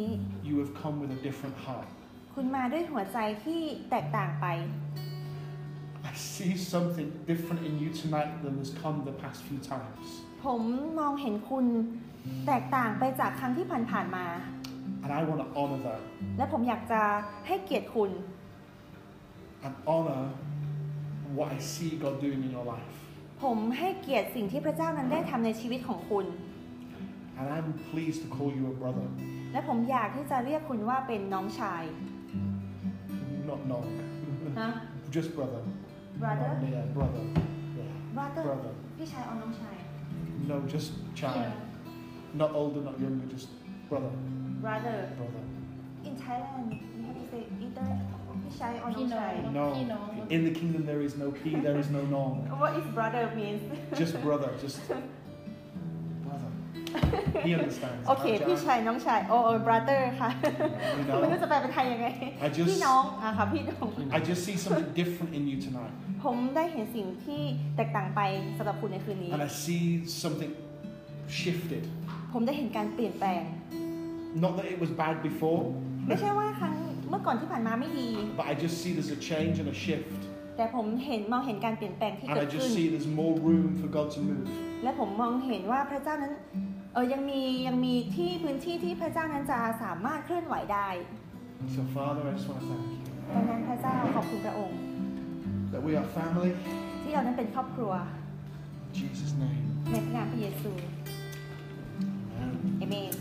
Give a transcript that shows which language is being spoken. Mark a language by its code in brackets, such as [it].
[en] you have come with a different heart. [th] คุณมาด้วยหัวใจที่แตกต่างไป [en] I see something different in you tonight than has come the past few times. [th] ผมมองเห็นคุณแตกต่างไปจากครั้งที่ผ่านๆมา [en] And I want to honor that. [th] และผมอยากจะให้เกียรติคุณ [en] And honor what I see God doing in your life. [th] ผมให้เกียรติสิ่งที่พระเจ้านั้นได้ทำในชีวิตของคุณ [en] And I'm pleased to call you a brother. [th] และผมอยากที่จะเรียกคุณว่าเป็นน้องชาย [en] Not [th] น้อง huh? [en] Just brother. Brother. Yeah, brother. Yeah. Brother. Brother. [th] พี่ชายหรือน้องชาย [en] No, just child. Yeah. Not older, not younger, just brother. Brother. Brother. In Thailand, you have to say either [th] พี่ชาย หรือ น้ องชาย [en] No. Pino. In the kingdom, there is no he, there is no nong. What if brother means? Just brother. Just. He understands. [th] Okay, พี่ชายน้องชาย [en] oh brother [th] ค่ะไม่รู้จะแปลเป็นไทยยังไงพี ่น้องอ่ะค่ะพี่น้อง [en] I just see something different in you tonight. [th] ผมได้เห็นสิ่งที่แตกต่างไปสำหรับคุณในคืนนี้ [en] And I see something shifted. [th] ผมได้เห็นการเปลี่ยนแปลง [en] Not that it was bad before. [th] ไม่ใช่ว่าครั้งเมื่อก่อนที่ผ่านมาไม่ดี [en] But I just see there's a change and a shift. [th] แต่ผมเห็นมองเห็นการเปลี่ยนแปลงที่เกิดขึ้น [en] And I just see there's more room for God to move. [th] และผมมองเห็นว่าพระเจ้านั้นยังมีที่พื้นที่ที่พระเจ้านั้นจะสามารถเคลื่อนไหวได้ [en] So Father, I just want to thank you. [th] ดังนั้นพระเจ้าขอบคุณพระองค์ [en] That we are family. [th] ที่เรานั้นเป็นครอบครัว [en] Jesus name. [th] ในพระนามพระเยซู Amen.